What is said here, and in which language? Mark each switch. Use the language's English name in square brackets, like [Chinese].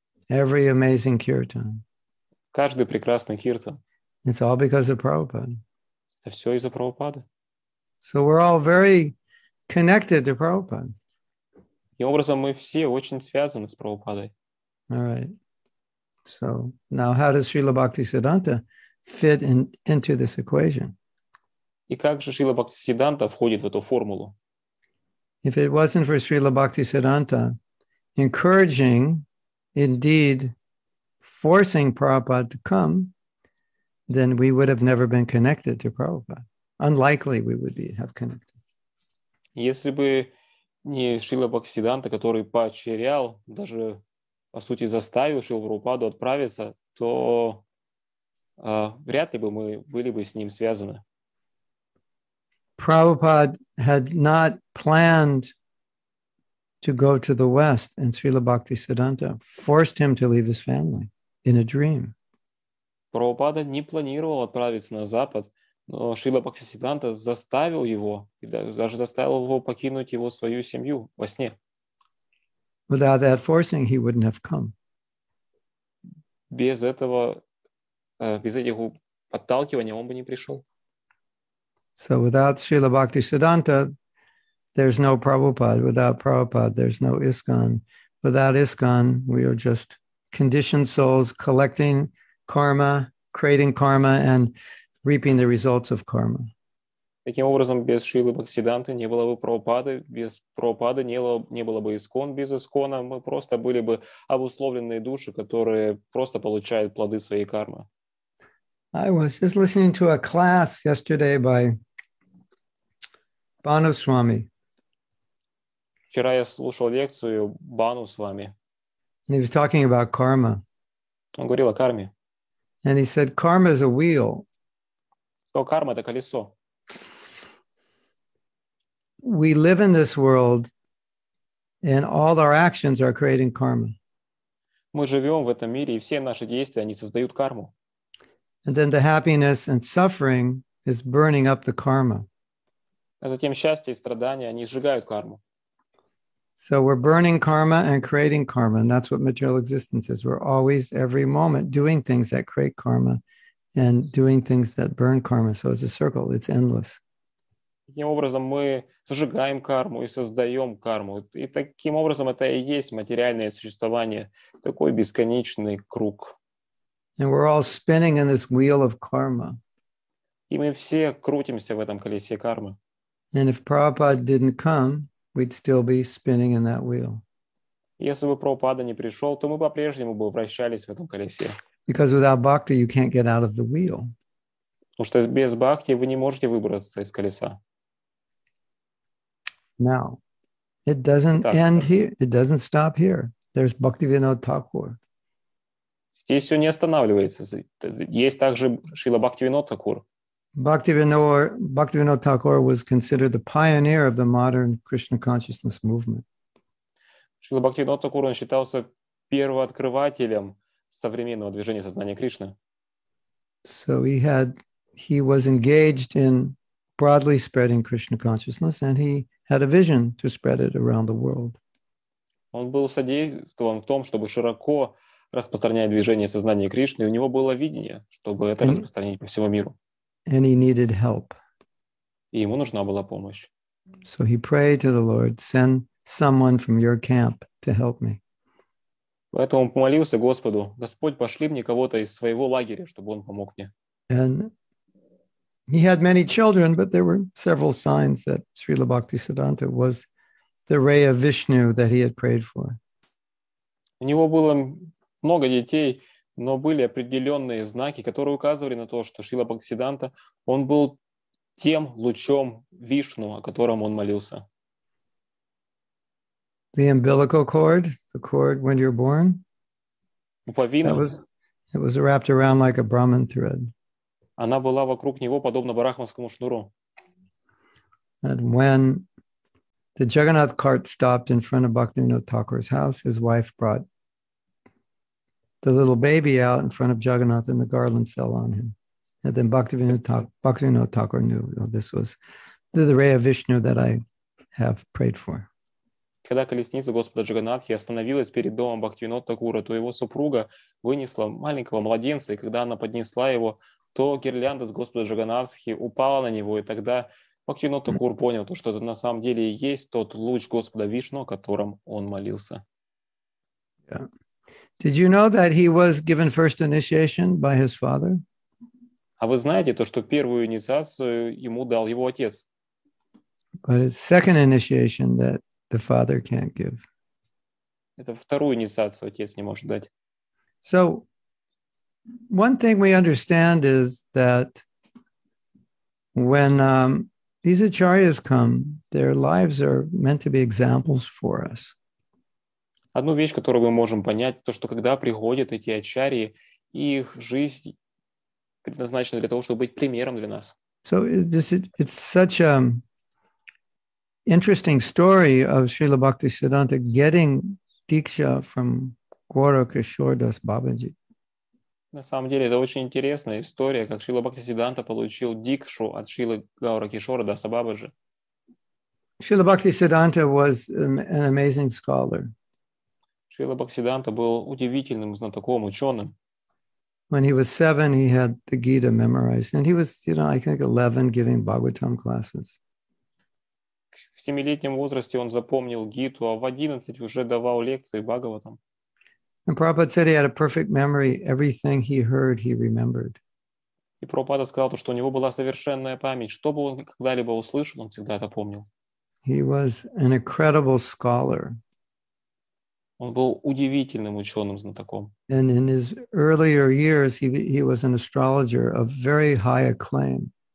[English] Every amazing kirtan. [Russian] Каждый прекрасный киртан. [English] It's all because of Prabhupada. [Russian] Это все из-за Прабхупады. [English] So we're all very connected to Prabhupada. [Russian] Таким образом, мы все очень связаны с Прабхупадой. [English] All right. So now how does Srila Bhakti Siddhanta fit into this equation? [Russian] И как же Шрила Бхакти Сиддханта входит в эту формулу? [English] If it wasn't for Srila Bhakti Siddhanta encouraging, indeed, forcing Prabhupada to come, then we would have never been connected to Prabhupada. Unlikely we would be have connected. [Russian] Если бы не Шрила Бхакти Сиддханта, который поощрял, даже, по сути, заставил Шрилу Прабхупаду отправиться, то вряд ли бы мы были бы с ним связаны. [English] Prabhupada had not planned to go to the West, and Srila Bhakti Siddhanta forced him to leave his family in a dream. [Russian] Prabhupada не планировал отправиться на Запад, но Шрила Бхакти Сиддханта заставил его, даже заставил его покинуть его свою семью во сне. [English] Without that forcing, he wouldn't have come. [Russian] Без этого, без этих подталкиваний он бы не пришел. [English] So without Srila Bhakti Siddhanta, there's no Prabhupada. Without Prabhupada, there's no ISKCON. Without ISKCON, we are just conditioned souls collecting karma, creating karma, and reaping the results of karma. [Russian] Таким образом, без Шрилы Бхактисиддханты не было бы Прабхупады, без Прабхупады не было бы ИСККОН, без ИСККОНа мы просто были бы обусловленные души, которые просто получают плоды своей кармы. [English] I was just listening to a class yesterday by Bhanu Swami. [Russian] Вчера я слушал лекцию Бану с вами. [English] And he was talking about karma. [Russian] Он говорил о карме. [English] And he said, karma is a wheel. [Russian] Что карма — это колесо. [English] We live in this world, and all our actions are creating karma. [Russian] Мы живем в этом мире, и все наши действия, они создают карму. [English] And then the happiness and suffering is burning up the karma. [Russian] А затем счастье и страдания, они сжигают карму. [English] So we're burning karma and creating karma, and that's what material existence is. We're always, every moment, doing things that create karma and doing things that burn karma. So it's a circle, it's endless. [Russian] Таким образом мы зажигаем карму и создаем карму. И таким образом это и есть материальное существование, такой бесконечный круг. [English] And we're all spinning in this wheel of karma. [Russian] И мы все крутимся в этом колесе кармы. [English] And if Prabhupada didn't come, we'd still be spinning in that wheel. [Russian] Если бы Прабхупада не пришел, то мы по-прежнему бы вращались в этом колесе. [English] Because without bhakti, you can't get out of the wheel. [Russian] Потому что без бхакти вы не можете выбраться из колеса. [English] Now, it doesn't [Russian] так, [English] end так. Here. It doesn't stop here. There's Bhaktivinoda Thakur. [Russian] Здесь все не останавливается. Есть также Шрила Бхактивинода Такур. [English] Bhaktivinoda Thakur was considered the pioneer of the modern Krishna consciousness movement. [Russian] Шрила Бхактивинода Такур считался первооткрывателем современного движения сознания Кришны. [English] So he was engaged in broadly spreading Krishna consciousness, and he had a vision to spread it around the world. [Russian] Он был содействован в том, чтобы широко распространять движение сознания Кришны, и у него было видение, чтобы это распространить по всему миру. [English] And he needed help. [Russian] И ему нужна была помощь. [English] So he prayed to the Lord, send someone from your camp to help me. [Russian] Поэтому он помолился Господу: Господь, пошли мне кого-то из своего лагеря, чтобы он помог мне. [English] And he had many children, but there were several signs that Srila Bhaktisiddhanta was the ray of Vishnu that he had prayed for. [Russian] У него было много детей, но были определенные знаки, которые указывали на то, что Шрила Бхактисиддханта, он был тем лучом Вишну, о котором он молился. [English] The umbilical cord, the cord when you're born. [Russian] Пуповина. [English] It was wrapped around like a Brahman thread. [Russian] Она была вокруг него подобно брахманскому шнуру. [English] And when the Jagannath cart stopped in front of Bhaktivinoda Thakur's house, his wife brought the little baby out in front of Jagannath, and the garland fell on him. And then Bhaktivinoda Thakur knew, oh, this was the ray of Vishnu that I have prayed for. [Russian] Когда колесница Господа Джаганатхи остановилась перед домом Бхактивинода Такура, то его супруга вынесла маленького младенца, и когда она поднесла его, то гирлянда с Господа Джаганатхи упала на него, и тогда Бхактивинода Такур понял, что это на самом деле и есть тот луч Господа Вишну, о котором он молился. [English] Yeah. Did you know that he was given first initiation by his father? [Russian] А вы знаете то, что первую инициацию ему дал его отец? [English] But it's second initiation that the father can't give. [Russian] Это вторую инициацию отец не может дать. [English] So one thing we understand is that when these acharyas come, their lives are meant to be examples for us. [Russian] Одну вещь, которую мы можем понять, то, что когда приходят эти ачарьи, их жизнь предназначена для того, чтобы быть примером для нас. [English] So it's such an interesting story of Srila Bhaktisiddhanta getting diksha from Gaura Kishordas Babaji. [Russian] На самом деле, это очень интересная история, как Шрила Бхактисиддханта получил дикшу от Шрилы Гаура Кишордаса Бабаджи. [English] Шрила Бхактисиддханта was an amazing scholar. [Russian] Шрила Бхактисиддханта был удивительным знатоком, ученым. [English] When he was 7, he had the Gita memorized. And he was, you know, I think 11, giving Bhagavatam classes. [Russian] В 7-летнем возрасте он запомнил Гиту, а в 11 уже давал лекции Бхагаватам. [English] And Prabhupada said he had a perfect memory. Everything he heard, he remembered. [Russian] И Прабхупада сказал, что у него была совершенная память. Что бы он когда-либо услышал, он всегда это помнил. [English] He was an incredible scholar. [Russian] Он был удивительным ученым, знатоком. [English] And in his earlier years, he was an astrologer of very high acclaim.